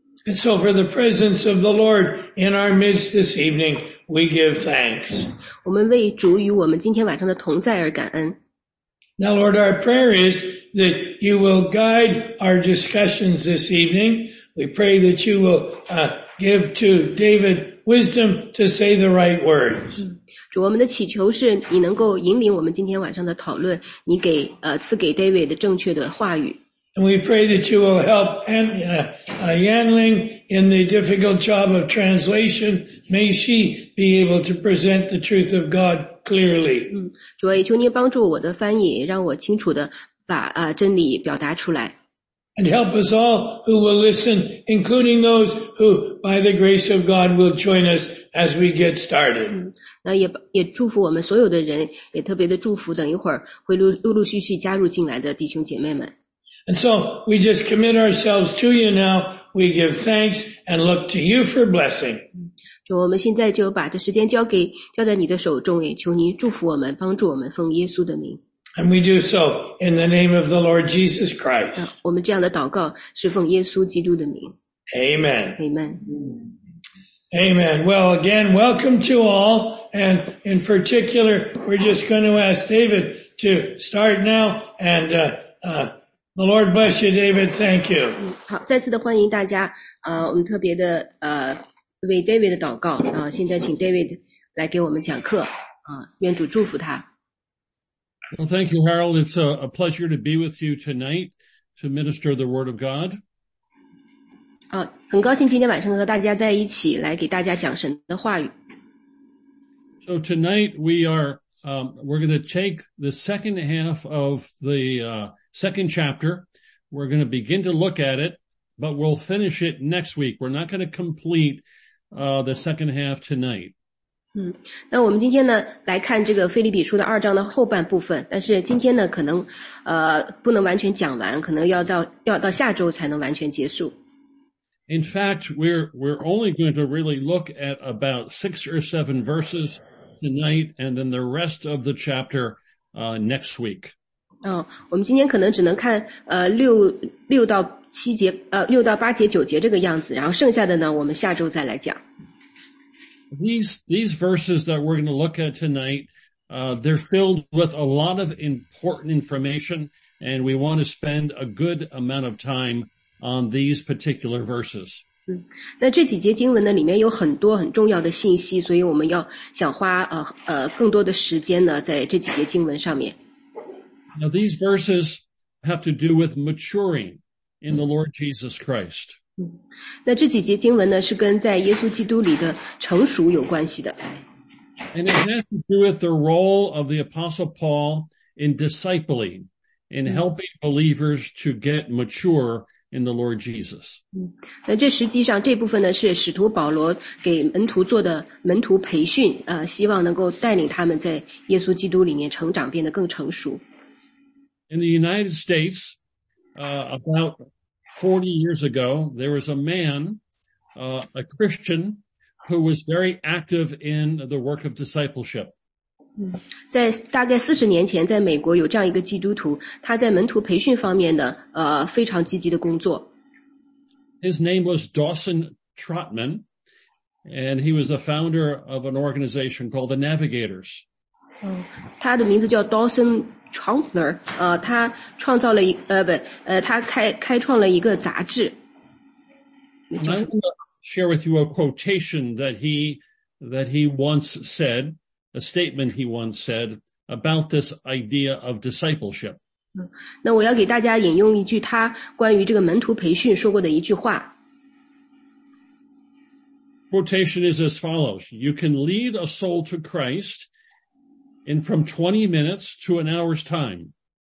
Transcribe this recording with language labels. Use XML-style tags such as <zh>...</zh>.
<en>And so for the presence of the Lord in our midst this evening, we give thanks.</en> <zh>我们为主与我们今天晚上的同在而感恩。</zh> <en>Now Lord, our prayer is that you will guide our discussions this evening. We pray that you will, give to David wisdom to say the right words.</en> <zh>主，我们的祈求是你能够引领我们今天晚上的讨论，你给赐给 David 的正确的话语。</zh> <en>And we pray that you will help Yanling in the difficult job of translation. May she be able to present the truth of God clearly.</en> <zh>主，也求您帮助我的翻译，让我清楚的把真理表达出来。</zh> <en>And help us all who will listen, including those who, by the grace of God, will join us as we get started.</en> <zh>那也祝福我们所有的人，也特别的祝福等一会儿会陆陆续续加入进来的弟兄姐妹们。</zh> <en>And so we just commit ourselves to you now. We give thanks and look to you for blessing.</en> <zh>就我们现在就把这时间交在你的手中，也求您祝福我们，帮助我们，奉耶稣的名。</zh> <en>And we do so in the name of the Lord Jesus Christ.</en> <zh>我们这样的祷告是奉耶稣基督的名。</zh> <en>Amen. Amen. Amen. Well, again, welcome to all. And in particular, we're just going to ask David to start now. And the Lord bless you, David. Thank you.</en> <zh>好，再次的欢迎大家。我们特别的为 David 的祷告。现在请 David 来给我们讲课。愿主祝福他。</zh> <en>Well, thank you, Harold. It's a pleasure to be with you tonight to minister the Word of God.</en> <zh>很高兴今天晚上和大家在一起来给大家讲神的话语。</zh> <en>So tonight we're going to take the second half of the second chapter. We're going to begin to look at it, but we'll finish it next week. We're not going to complete the second half tonight.</en> <zh>那我们今天呢来看这个腓立比书的二章的后半部分，但是今天呢可能不能完全讲完，可能要到下周才能完全结束。</zh> <en>In fact, we're only going to really look at about 6 or 7 verses tonight and then the rest of the chapter next week.</en> <zh>我们今天可能只能看6到8节9节这个样子，然后剩下的呢我们下周再来讲。</zh> <en>These verses that we're going to look at tonight, they're filled with a lot of important information, and we want to spend a good amount of time on these particular verses.</en> <zh>那这几节经文呢，里面有很多很重要的信息，所以我们要想花更多的时间呢，在这几节经文上面。</zh> <en>Now these verses have to do with maturing in the Lord Jesus Christ.</en> <zh>那这几节经文呢是跟在耶稣基督里的成熟有关系的。</zh> <en>And it has to do with the role of the Apostle Paul in discipling, in helping believers to get mature in the Lord Jesus.</en> <zh>那这实际上这部分呢是使徒保罗给门徒做的门徒培训，希望能够带领他们在耶稣基督里面成长，变得更成熟。</zh> <en>In the United States, about 40 years ago, there was a man, a Christian, who was very active in the work of discipleship.</en> <zh>在大概40年前，在美国有这样一个基督徒，他在门徒培训方面的，非常积极的工作。</zh> <en>His name was Dawson Trotman, and he was the founder of an organization called the Navigators.</en> <zh>他的名字叫 Dawson Trotman, 他创造了他开创了一个杂志。</zh> <en>I want to share with you a quotation that he once said, a statement he once said about this idea of discipleship.</en> <zh>那我要给大家引用一句他关于这个门徒培训说过的一句话。</zh> <en>Quotation is as follows. You can lead a soul to Christ in from 20 minutes to an hour's time.</en>